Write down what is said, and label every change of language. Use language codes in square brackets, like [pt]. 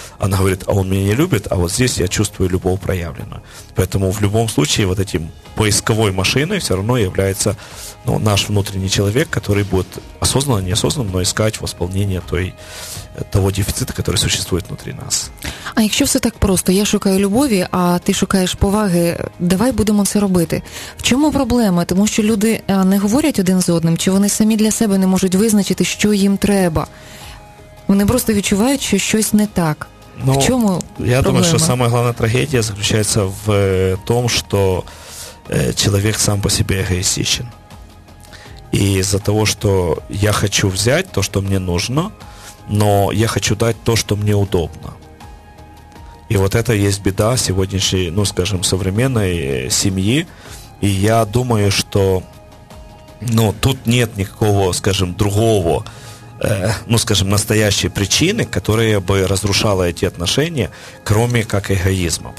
[ru] Она говорит, а он меня не любит, а вот здесь я чувствую любовь проявленную. Поэтому в любом случае вот этим поисковой машиной все равно является ну, наш внутренний человек, который будет осознанно, неосознанно, но искать восполнение того дефицита, который существует внутри нас. [uk] А якщо все так просто, я шукаю любові, а ти шукаєш поваги, давай будемо це робити. В чому проблема? Тому що люди не говорять один з одним, чи вони самі для себе не можуть визначити, що їм треба? Вони просто відчувають, що щось не так. Ну, в чому я проблема? Я думаю, що [ru] самая главна трагедія заключається в тому, що человек сам по себе эгоистичен. И из-за того, что я хочу взять то, что мне нужно, но я хочу дать то, что мне удобно. И вот это есть беда сегодняшней, ну скажем, современной семьи. И я думаю, что ну, тут нет никакого, скажем, другого, ну скажем, настоящей причины, которая бы разрушала эти отношения, кроме как эгоизма.